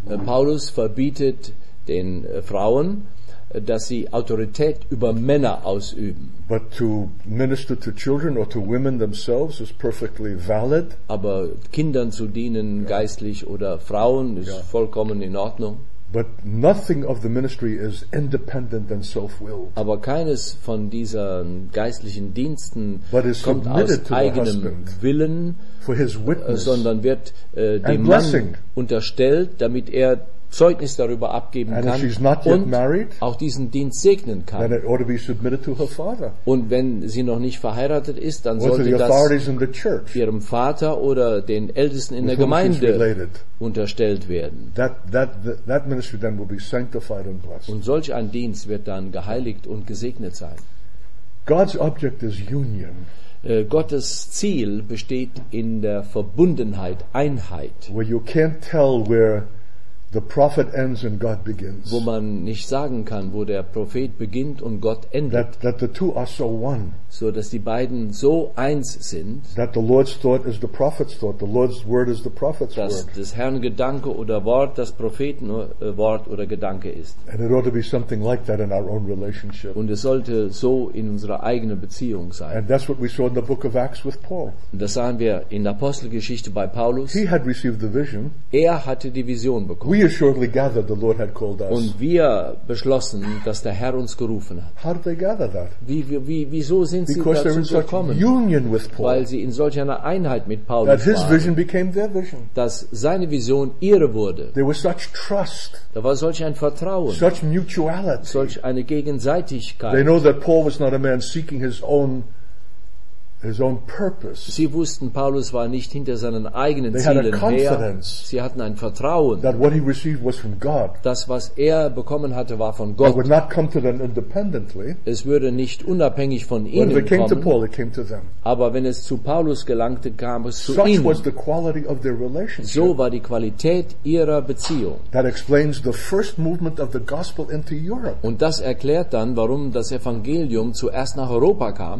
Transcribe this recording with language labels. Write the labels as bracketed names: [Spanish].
[German] Paulus verbietet den Frauen, dass sie Autorität über Männer ausüben. [English] But to minister to children or to women themselves is perfectly valid. [German] Aber Kindern zu dienen, geistlich oder Frauen, ist vollkommen in Ordnung. [English] But nothing of the ministry is independent and self-willed. [German] Aber keines von diesen geistlichen Diensten kommt aus eigenem Willen, sondern wird dem Mann unterstellt, damit er Zeugnis darüber abgeben [English] and if she's not yet [German] und [English] married, [German] auch diesen Dienst segnen kann. [English] Then it ought to be submitted to her father. [German] Und wenn sie noch nicht verheiratet ist, dann [English] or [German] sollte das [English] in the church, [German] ihrem Vater oder den Ältesten in der Gemeinde unterstellt werden. [English] That ministry then will be sanctified and blessed. [German] Und solch ein Dienst wird dann geheiligt und gesegnet sein. [English] God's object is union. [German] Gottes Ziel besteht in der Verbundenheit, Einheit. [English] Where you can't tell where the prophet ends and God begins. [German] Wo man nicht sagen kann, wo der Prophet beginnt und Gott endet. [English] That the two are so one. [German] So dass die beiden so eins sind. [English] That the Lord's thought is the prophet's thought. The Lord's word is the prophet's [German] dass [English] word. [German] Dass des Herrn Gedanke oder Wort das Propheten Wort oder Gedanke ist. [English] And it ought to be something like that in our own relationship. [German] Und es sollte so in unserer eigenen Beziehung sein. [English] And that's what we saw in the book of Acts with Paul. [German] Und das sahen wir in der Apostelgeschichte bei Paulus. [English] He had received the vision. [German] Er hatte die Vision bekommen. [English] We assuredly gathered the Lord had called us. [German] Und wir beschlossen, dass der Herr uns gerufen hat. [English] How did they gather that? [German] Wieso sind [English] because [German] sie dazu gekommen? [English] Union with Paul. [German] Weil sie in solch einer Einheit mit Paulus [English] that his [German] waren. [English] Vision became their vision. [German] Dass seine Vision ihre wurde. [English] There was such trust. [German] Da war solch ein Vertrauen. [English] Such mutuality. [German] Solch eine Gegenseitigkeit. [English] They know that Paul was not a man seeking his own purpose. [German] Sie wussten, Paulus war nicht hinter seinen eigenen Zielen her. Sie hatten ein Vertrauen. [English] That what he received was from God. [German] Das, was er bekommen hatte, war von Gott. [English] It would not come to them independently. [German] Es würde nicht unabhängig von ihnen [English] when it came [German] kommen. [English] To Paul, it came to them. [German] Aber wenn es zu Paulus gelangte, kam es zu [English] such [German] ihnen. [English] Was the quality of their relationship. [German] So war die Qualität ihrer Beziehung. [English] That explains the first movement of the gospel into Europe. [German] Und das erklärt dann, warum das Evangelium zuerst nach Europa kam.